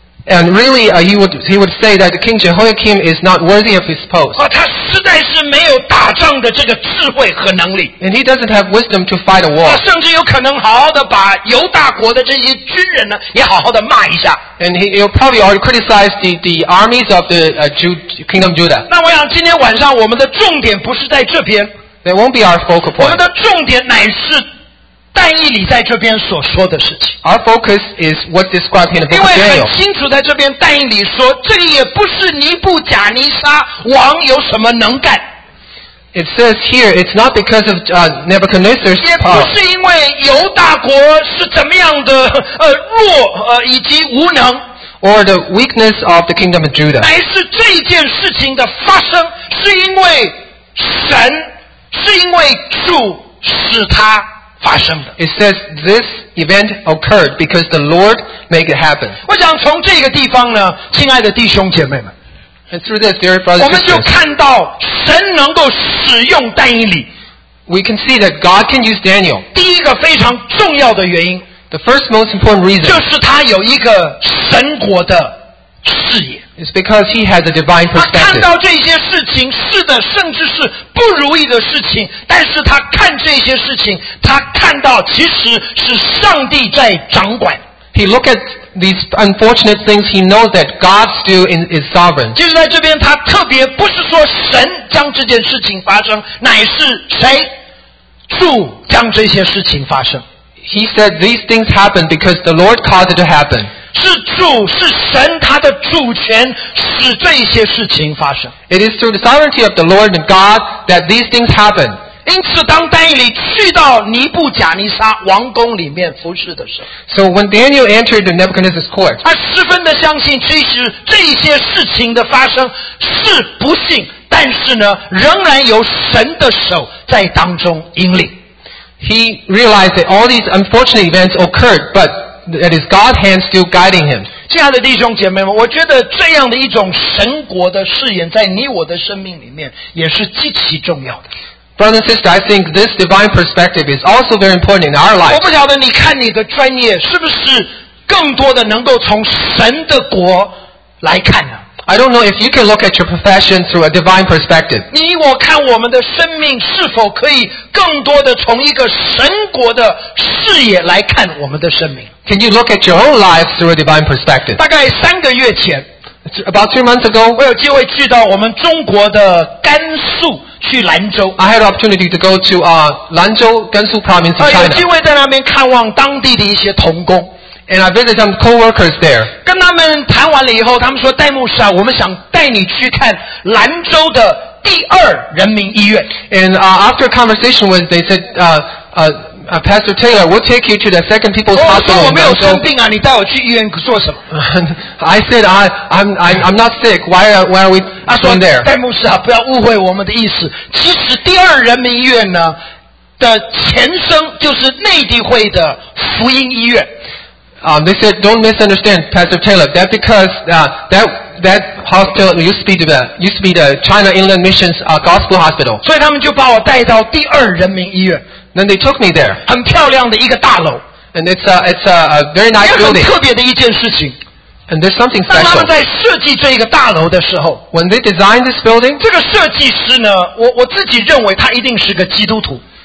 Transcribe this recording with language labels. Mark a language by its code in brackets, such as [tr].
[en] And really, he would say that King Jehoiakim is not worthy of his post. [zh] 他实在是没有打仗的这个智慧和能力。 [en] And he doesn't have wisdom to fight a war. [zh] 他甚至有可能好好的把犹大国的这些军人呢，也好好的骂一下。 [en] And he'll probably already criticize the armies of the kingdom Judah. [zh] 那我想今天晚上我们的重点不是在这边。 [en] That won't be our focal point. [zh] 我们的重点乃是但以理在这边所说的事情。 [en] Our focus is what described in the book of Daniel. [zh] 因为很清楚在这边但以理说这也不是尼布甲尼撒王有什么能干。 [en] It says here, it's not because of Nebuchadnezzar's power. [zh] 也不是因为犹大国是怎么样的弱以及无能。 [en] Or the weakness of the kingdom of Judah. [zh] 乃是这件事情的发生是因为神是因为主使他发生的。 [en] It says this event occurred because the Lord made it happen. [zh] 我想从这个地方呢，亲爱的弟兄姐妹们， [en] And through this, dear brothers, [zh] 我们就看到神能够使用但以理。 [en] We can see that God can use Daniel. [zh] 第一个非常重要的原因， [en] The first most important reason [zh] 就是他有一个神国的视野。 [en] It's because he has a divine perspective. [zh] 他看到这些事情是的甚至是不如意的事情但是他看这些事情他看到其实是上帝在掌管。 [en] He look at these unfortunate things, he knows that God still is sovereign. [zh] 就是在这边他特别不是说神将这件事情发生乃是谁主将这些事情发生。 [en] He said these things happened because the Lord caused it to happen. [zh] 是主是神他的主权使这些事情发生。 [en] It is through the sovereignty of the Lord and God that these things happen. [zh] 因此当但以理去到尼布甲尼撒王宫里面服侍的时候。 [en] So when Daniel entered the Nebuchadnezzar's court. [zh] 他十分的相信其实这些事情的发生是不幸但是呢仍然有神的手在当中引领。 [en] He realized that all these unfortunate events occurred, but that is God's hand still guiding him. [zh] 亲爱的弟兄姐妹们，我觉得这样的一种神国的誓言在你我的生命里面也是极其重要的。 [en] Brothers and sisters, I think this divine perspective is also very important in our life. [zh] 我不晓得你看你的专业是不是更多的能够从神的国来看呢？ [en] I don't know if you can look at your profession through a divine perspective. [zh] 你我看我们的生命是否可以更多的从一个神国的视野来看我们的生命。 [en] Can you look at your own life through a divine perspective? [zh] 大概三个月前 [en] About 3 months ago, [zh] 我有机会去到我们中国的甘肃去兰州。 [en] I had an opportunity to go to 兰州甘肃 province in China. [zh] 有机会在那边看望当地的一些同工。 [en] And I visited some co-workers there. [zh] 跟他们谈完了以后，他们说：“戴牧师啊，我们想带你去看兰州的第二人民医院。” [en] And after a conversation with, they said, Pastor Taylor, we'll take you to the Second People's Hospital. [zh] 我说我没有生病啊，你带我去医院做什么？” [en] I said, I'm not sick. Why are we going there? [zh] 戴牧师啊，不要误会我们的意思。其实第二人民医院呢，的前身就是内地会的福音医院。 [en] They said, don't misunderstand, Pastor Taylor, that because that hospital used to be the China Inland Missions Gospel Hospital. [zh] 所以他们就把我带到第二人民医院。 [en] Then they took me there. [zh] 很漂亮的一个大楼。 [en] And it's a very nice building. [zh] 也很特别的一件事情。 [en] And there's something special. [zh] 当他们在设计这个大楼的时候 [en] ，When they designed this building, [zh] 这个设计师呢，我自己认为他一定是个基督徒。